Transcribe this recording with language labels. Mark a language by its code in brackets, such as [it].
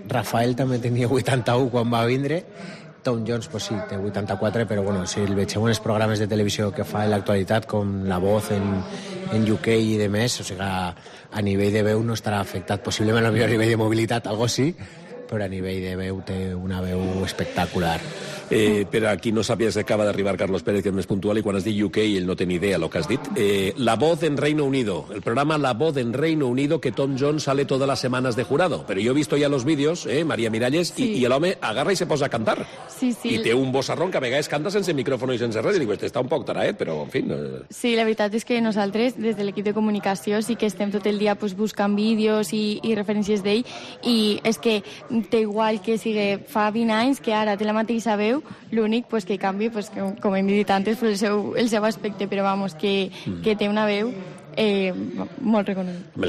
[ca] Rafael també tenia 81 quan va vindre. Tom Jones, pues sí, té 84, però bueno, si el vegem en els programes de televisió que fa en l'actualitat, com La Voz en UK i demés, o sigui, a nivell de veu no estarà afectat, possiblement a nivell de mobilitat, algo sí, però a nivell de veu té una veu espectacular. Per a qui no sàpiga, acaba d'arribar Carlos Pérez, que és més puntual, i quan has dit UK, ell no té ni idea del que has dit. [es] La Voz en Reino Unido, el programa La Voz en Reino Unido, que Tom Jones sale todas las semanas de jurado. [ca] Però jo he vist ja els vídeos, Maria Miralles, sí. I l'home agarra i se posa a cantar. Sí, sí. I té un bossarrón que a vegades canta sense micròfon i sense res. I dic, este està un poc taraet, però en fi... Sí, la veritat és que nosaltres, des de l'equip de comunicació, sí que estem tot el dia pues, buscant vídeos i referències d'ell. I és que té igual que sigui fa 20 anys, que ara té la mateixa veu, l'únic pues, que canvi, pues, que, com hem dit antes, pues, el seu aspecte, però vamos, que té una veu molt reconeguda.